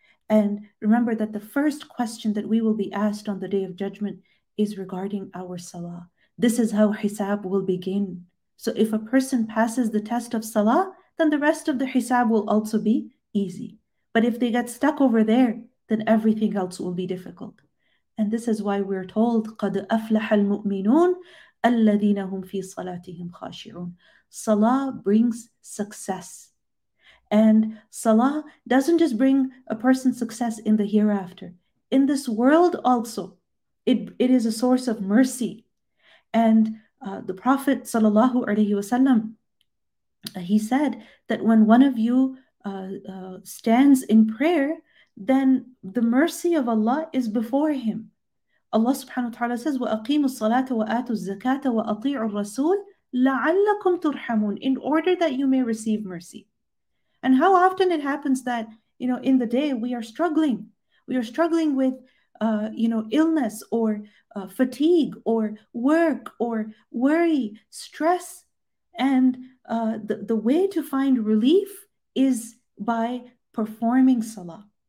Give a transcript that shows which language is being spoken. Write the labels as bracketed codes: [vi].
[en] And remember that the first question that we will be asked on the Day of Judgment is regarding our salah. This is how hisab will begin. So if a person passes the test of salah, then the rest of the hisab will also be easy. But if they get stuck over there, then everything else will be difficult. And this is why we're told, [ar] قَدْ أَفْلَحَ الْمُؤْمِنُونَ الَّذِينَ هُمْ فِي صَلَاتِهِمْ خَاشِعُونَ. [en] Salah brings success. And salah doesn't just bring a person success in the hereafter. In this world also, it is a source of mercy. And the Prophet sallallahu alaihi wasallam, he said that when one of you stands in prayer, then the mercy of Allah is before him. Allah subhanahu wa ta'ala says, [ar] وَأَقِيمُوا الصَّلَاةَ وَآتُوا الزَّكَاةَ وَأَطِيعُوا الرَّسُولَ لَعَلَّكُمْ تُرْحَمُونَ. [en] In order that you may receive mercy. And how often it happens that, you know, in the day we are struggling. We are struggling with illness or fatigue or work or worry, stress. And the way to find relief is by performing salah.